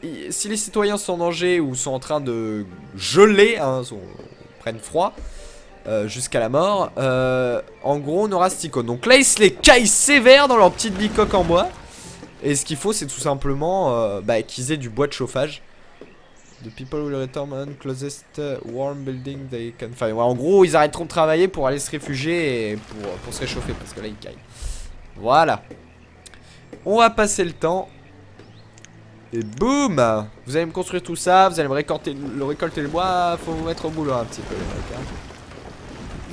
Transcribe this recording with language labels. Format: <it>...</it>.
<fr>Si les citoyens sont en danger ou sont en train de geler, hein, prennent froid jusqu'à la mort, en gros on aura Stico. Donc là ils se les caillent sévère dans leur petite bicoque en bois. Et ce qu'il faut c'est tout simplement qu'ils aient du bois de chauffage.</fr> <en>The people will return on closest warm building they can find.</en> <fr>Ouais, en gros ils arrêteront de travailler pour aller se réfugier et pour se réchauffer parce que là ils caillent. Voilà. On va passer le temps. Et boum! Vous allez me construire tout ça, vous allez me récolter le bois, faut vous mettre au boulot un petit peu les mecs. Hein.</fr>